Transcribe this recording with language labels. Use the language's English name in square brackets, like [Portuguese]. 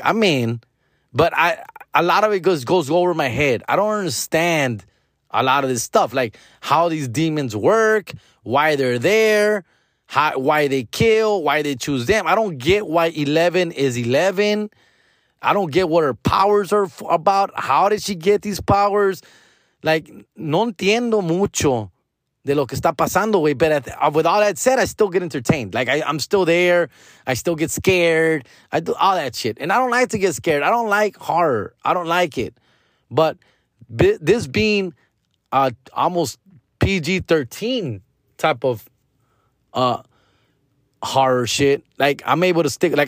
[English] But a lot of it goes over my head. I don't understand a lot of this stuff, like how these demons work, why they're there, why they kill, why they choose them. I don't get why 11 is 11. I don't get what her powers are about. How did she get these powers? [Spanish] Like, no entiendo mucho de lo que está pasando, güey. [English] But with all that said, I still get entertained. Like, I'm still there. I still get scared. I do all that shit. And I don't like to get scared. I don't like horror. I don't like it. But this being almost PG-13 type of horror shit, like, I'm able to stick.